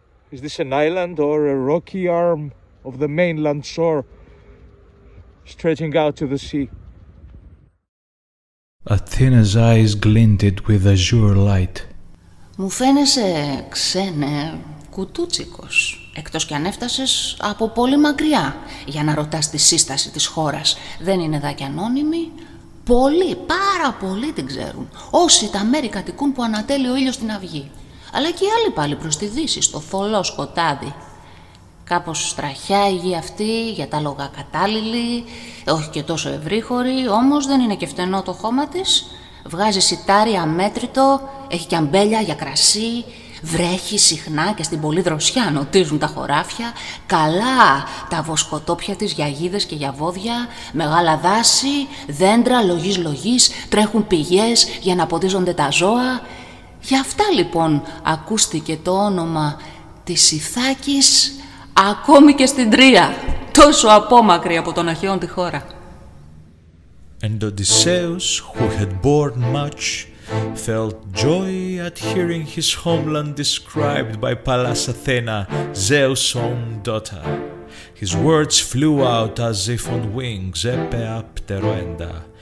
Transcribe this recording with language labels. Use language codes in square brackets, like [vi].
[en] Is this an island or a rocky arm of the mainland shore stretching out to the sea? Athena's eyes glinted with azure light. [el] Μου φαίνεσαι, ξένε, κουτούτσικος, εκτός κι αν έφτασες από πολύ μακριά για να ρωτάς τη σύσταση της χώρας. Δεν είναι δάκι ανώνυμη. Πολλοί, πάρα πολλοί την ξέρουν. Όσοι τα μέρη κατοικούν που ανατέλει ο ήλιος στην αυγή. Αλλά και οι άλλοι πάλι προς τη δύση, στο θολό σκοτάδι. Κάπως στραχιά η γη αυτή, για τα λόγα κατάλληλη, όχι και τόσο ευρύχωρη, όμως δεν είναι και φτενό το χώμα της. Βγάζει σιτάρι αμέτρητο, έχει και αμπέλια για κρασί, βρέχει συχνά και στην πολύ δροσιά νοτίζουν τα χωράφια, καλά τα βοσκοτόπια της για γίδες και για βόδια, μεγάλα δάση, δέντρα λογής-λογής, τρέχουν πηγές για να ποτίζονται τα ζώα. Γι' αυτά λοιπόν ακούστηκε το όνομα της Ιθάκης ακόμη και στην Τρία, τόσο απόμακρη από τον Αχαιόν τη χώρα. [en] And Odysseus, who had borne much, felt joy at hearing his homeland described by Pallas Athena, Zeus' own daughter. His words flew out as if on wings, Epea pteroenda.